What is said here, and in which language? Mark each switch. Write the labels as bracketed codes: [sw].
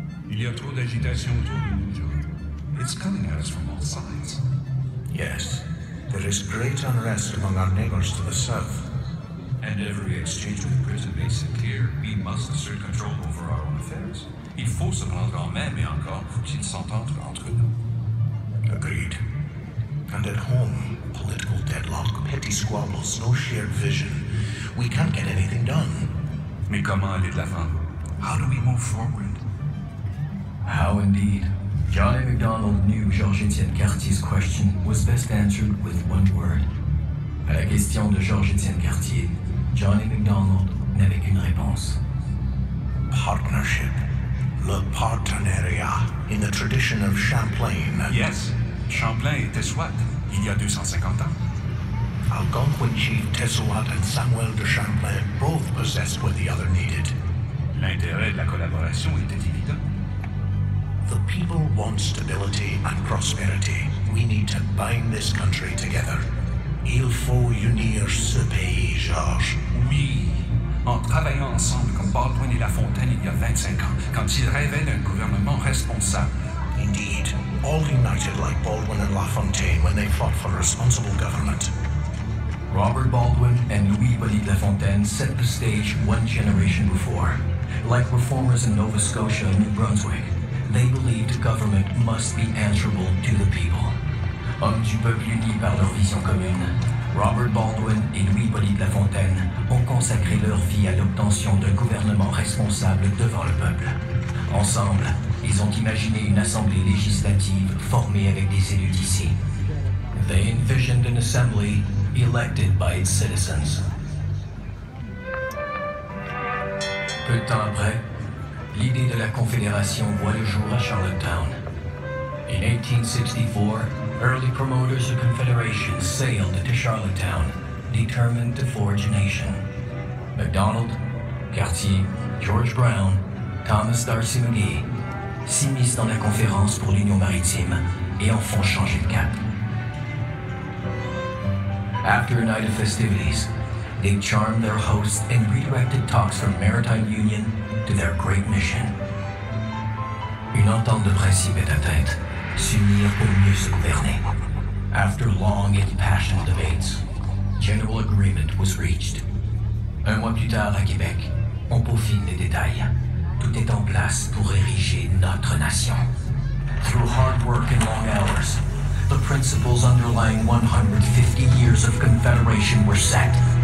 [fr] Il y a trop d'agitation autour de nous, John. [en] It's coming at us from all sides. Yes, there is great unrest among our neighbors to the south. And every exchange with prison makes it clear we must assert control over our own affairs. [fr] Il faut se rendre en même et encore faut-il s'entendre entre nous. [en] Agreed. And at home, political deadlock, petty squabbles, no shared vision. We can't get anything done. [fr] Mais comment aller de l'avant? [en] How do we move forward? How indeed? Johnny MacDonald knew Georges-Étienne Cartier's question was best answered with one word. [fr] À la question de Georges-Étienne Cartier, Johnny MacDonald n'avait qu'une réponse. [en] Partnership. [fr] Le partenariat. [en] In the tradition of Champlain. [fr] Yes. Champlain et Tessouat, il y a 250 ans. [en] Algonquin chief Tessouat and Samuel de Champlain both possessed what the other needed. [fr] L'intérêt de la collaboration était évident. [en] The people want stability and prosperity. We need to bind this country together. [fr] Il faut unir ce pays, Georges. Oui. En travaillant ensemble comme Baldwin et La Fontaine il y a 25 ans, quand ils rêvaient d'un gouvernement responsable. [en] Indeed. All united like Baldwin and La Fontaine when they fought for a responsible government. Robert Baldwin and Louis-Philippe La Fontaine set the stage one generation before. Like reformers in Nova Scotia and New Brunswick, they believed government must be answerable to the people. [fr] Hommes du peuple unis par leur vision commune, Robert Baldwin et Louis-Philippe La Fontaine ont consacré leur vie à l'obtention d'un gouvernement responsable devant le peuple. Ensemble, ils ont imaginé une assemblée législative formée avec des élus d'ici. [en] They envisioned an assembly elected by its citizens. [fr] Peu de temps après, l'idée de la Confédération voit le jour à Charlottetown. [en] In 1864, early promoters of Confederation sailed to Charlottetown, determined to forge a nation. [fr] MacDonald, Cartier, George Brown, Thomas Darcy McGee s'immiscent dans la conférence pour l'Union maritime et en font changer de cap. [en] After a night of festivities, they charmed their hosts and redirected talks from Maritime Union to their great mission. [fr] Une entente de principe est atteinte, s'unir pour mieux se gouverner. [en] After long and passionate debates, general agreement was reached. [fr] Un mois plus tard à Québec, on peaufine les détails. Tout est en place pour ériger notre nation. [en] Through hard work and long hours, the principles underlying 150 years of Confederation were set.